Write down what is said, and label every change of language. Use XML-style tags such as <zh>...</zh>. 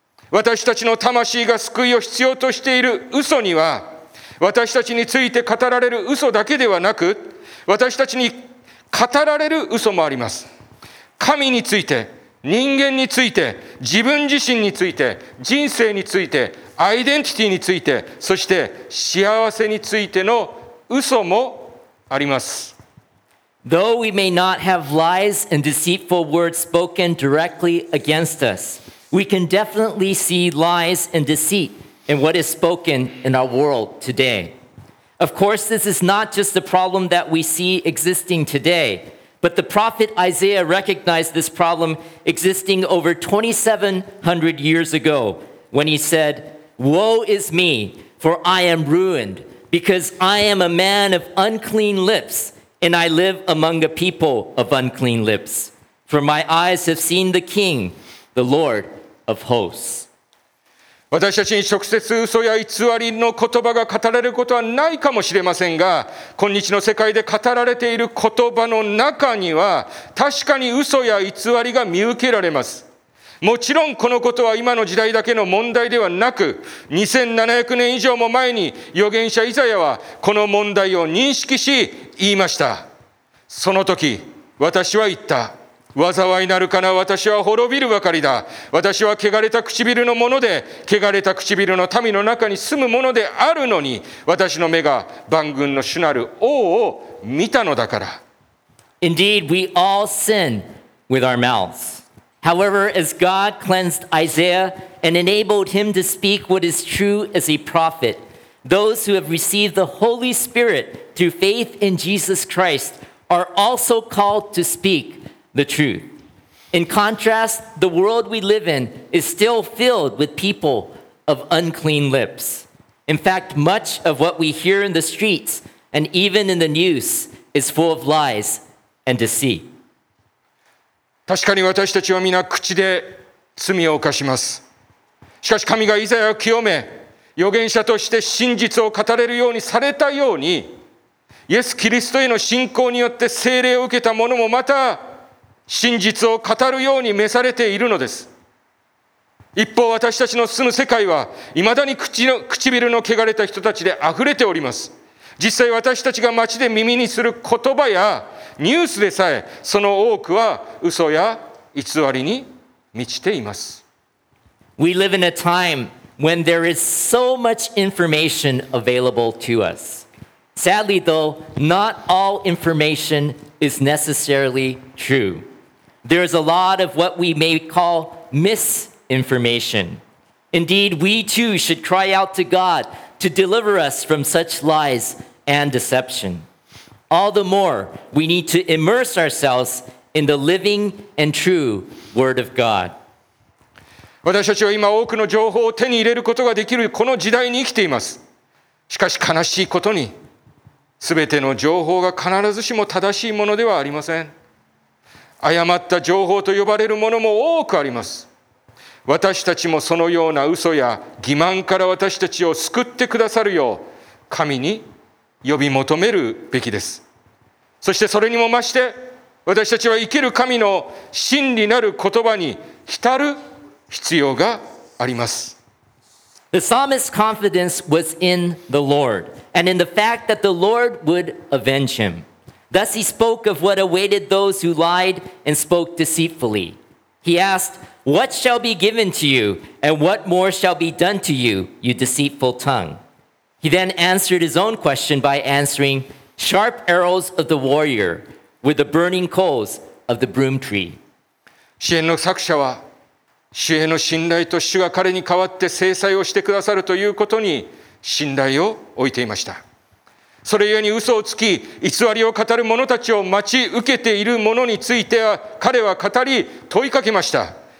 <ja>私たちの魂が救いを必要としている嘘には、私たちについて語られる嘘だけではなく、私たちに語られる嘘もあります。神について、人間について、自分自身について、人生について、アイデンティティについて、そして幸せについての嘘もあります。</ja> <en>Though we may not have lies and deceitful words spoken directly against us, we can definitely see lies and deceit in what is spoken in our world today. Of course, this is not just the problem that we see existing today, but the prophet Isaiah recognized this problem existing over 2,700 years ago when he said, "Woe is me, for I am ruined, because I am a man of unclean lips, and I live among a people of unclean lips. For my eyes have seen the King, the Lord of hosts."</en> <ja>私たちに直接嘘や偽りの言葉が語られることはないかもしれませんが、今日の世界で語られている言葉の中には確かに嘘や偽りが見受けられます。もちろんこのことは今の時代だけの問題ではなく、2700年以上も前に預言者イザヤはこの問題を認識し言いました。その時私は言った、災いなるかな、私は滅びるばかりだ。私は汚れた唇のもので、汚れた唇の民の中に住むものであるのに、私の目が万軍の主なる王を見たのだから。</ja> <en>Indeed, we all sin with our mouths. However, as God cleansed Isaiah and enabled him to speak what is true as a prophet, those who have received the Holy Spirit through faith in Jesus Christ are also called to speak the truth. In contrast, the world we live in is still filled with people of unclean lips. In fact, much of what we hear in the streets and even in the news is full of lies and deceit.</en> <ja>確かに私たちは皆口で罪を犯します。しかし神がイザヤを清め、預言者として真実を語れるようにされたように、イエス・キリストへの信仰によって聖霊を受けた者もまた真実を語るように召されているのです。一方、私たちの住む世界は未だに唇の汚れた人たちであふれております。実際、私たちが街で耳にする言葉やニュースでさえ、その多くは嘘や偽りに満ちています。</ja> <en>We live in a time when there is so much information available to us. Sadly though, not all information is necessarily true. There is a lot of what we may call misinformation. Indeed, we too should cry out to God to deliver us from such lies and deception. All the more, we need to immerse ourselves in the living and true Word of God.</en> <ja>私たちは今多くの情報を手に入れることができるこの時代に生きています。しかし悲しいことに、全ての情報が必ずしも正しいものではありません。誤った情報と呼ばれるものも多くあります。私たちもそのような嘘や欺瞞から私たちを救ってくださるよう、神に呼び求めるべきです。そしてそれにも増して、私たちは生きる神の真理なる言葉に浸る必要があります。</ja> <en>The psalmist's confidence was in the Lord, and in the fact that the Lord would avenge him. Thus he spoke of what awaited those who lied and spoke deceitfully. He asked, "What shall be given to you, and what more shall be done to you, you deceitful tongue?" He then answered his own question by answering, "Sharp arrows of the warrior with the burning coals of the broom tree."</en> <ja>詩編の作者は、主への信頼と主が彼に代わって制裁をしてくださるということに信頼を置いていました。それゆえに嘘をつき、偽りを語る者たちを待ち受けている者については、彼は語り問いかけました。</ja>